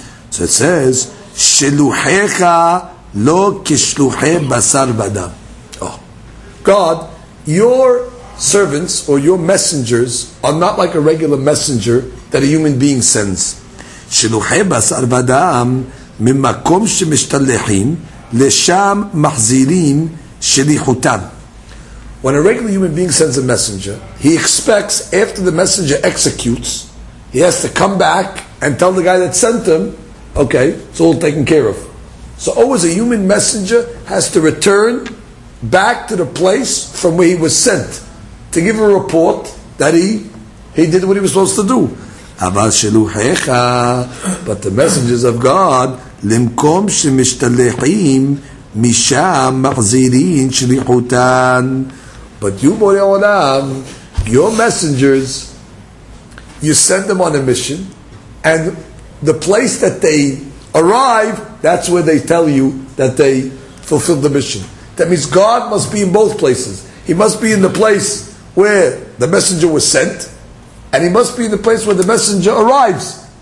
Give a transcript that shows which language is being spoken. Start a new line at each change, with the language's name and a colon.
Hebrew: So it says, Sheluhecha lo kishluhe basar v'adam. Oh.
English: God, your servants or your messengers are not like a regular messenger that a human being sends.
Hebrew: שלוחי בשר ודם ממקום שמשתלחים לשם מחזירים שליחותם.
English: When a regular human being sends a messenger, he expects after the messenger executes, he has to come back and tell the guy that sent him, okay, it's all taken care of. So always a human messenger has to return back to the place from where he was sent to give a report that he did what he was supposed to do.
Hebrew: אבל שלוחיך,
English: but the messengers of God,
Hebrew: למקום שמשתלחים, משם מחזירים שליחותן.
English: But you, Borei Olam, your messengers, you send them on a mission, and the place that they arrive, that's where they tell you that they fulfilled the mission. That means God must be in both places. He must be in the place where the messenger was sent, and he must be in the place where the messenger arrives.